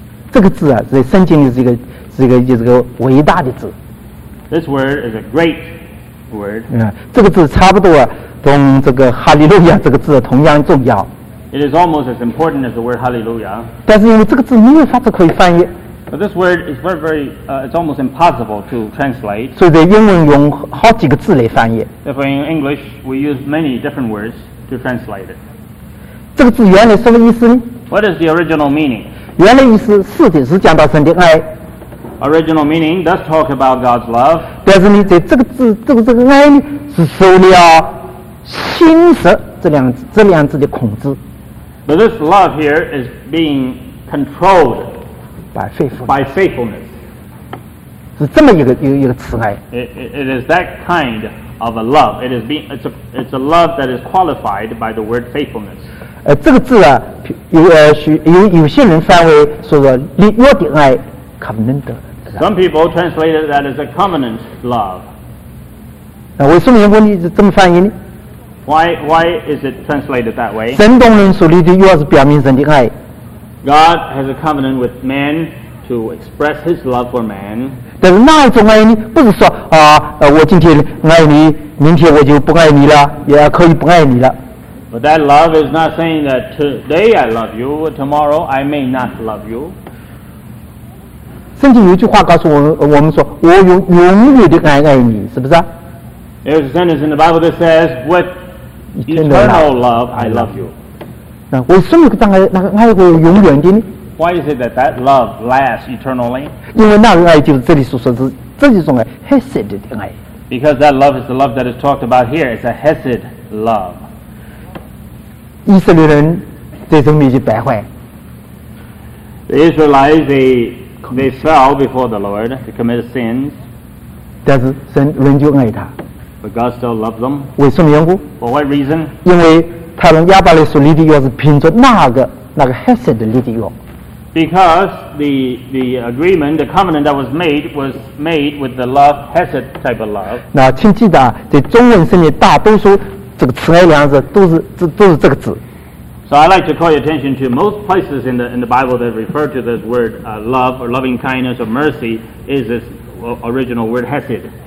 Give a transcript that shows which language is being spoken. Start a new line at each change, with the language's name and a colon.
Chinese: 这个字啊，在圣经里是一个，是一个，就是个伟大的字。
English: This word is a great word.
Chinese: 这个字差不多啊，跟这个哈利路亚这个字同样重要。
English: It is almost as important as the word hallelujah.
Chinese: 但是因为这个字没有法子可以翻译。
English: But this word is very, very, it's almost impossible to translate.
Chinese: 所以在英文用好几个字来翻译。
English: Therefore, in English, we use many different words to translate it.
Chinese: 这个字原来什么意思呢？
English: What is the original meaning?
Chinese: 原来意思是的，是讲到神的爱。
English: Original meaning does talk about God's love.
Chinese: 但是你在这个字，这个爱呢，是受了心识这两字的控制。
English: But this love here is being controlled. By faithfulness. By faithfulness.
Chinese: 是这么一个慈爱。
English: It is that kind of a love. It's a love that is qualified by the word faithfulness.
Chinese: 这个字啊，有些人翻为说是立约的爱。
English: Covenant, Some people translate it that as a covenant love.
Chinese: 那为什么英文是这么翻译呢？
English: Why is it translated that way?
Chinese: 神同人所立的约是表明神的爱。
English: God has a covenant with man to express His love for man.
Chinese: 但是那一种爱呢，不是说啊，我今天爱你，明天我就不爱你了，也可以不爱你了。
English: But that love is not saying that today I love you, tomorrow I may not love you.
Chinese: 圣经有句话告诉我们，我们说我用永远的爱爱你，是不是？
English: There's a sentence in the Bible that says, "With eternal love, I love you."
Chinese: 那为什么那个爱会永远的呢？
English: Why is it that love lasts eternally?
Chinese: 因为那个爱就是这里所说的这一种爱 ，hesed 的爱。
English: Because that love is the love that is talked about here. It's a hesed love.
Chinese: 以色列人在神面前败坏。
English: The Israelites, they fell before the Lord, they committed sins.
Chinese: 但是神仍旧爱他。
English: But God still loved them.
Chinese: 为什么缘故？
English: For what reason?
Chinese: 因为他们亚伯拉罕所立的约是凭着那个 Hesed 的立的约。
English: Because the agreement, the covenant that was made with the love, Hesed type of love.
Chinese: 那请记得啊，在中文圣经大多数这个慈爱两字都是这个字。
English: So I'd like to call your attention to most places in the Bible that refer to this word love or loving kindness or mercy is this original word hesed.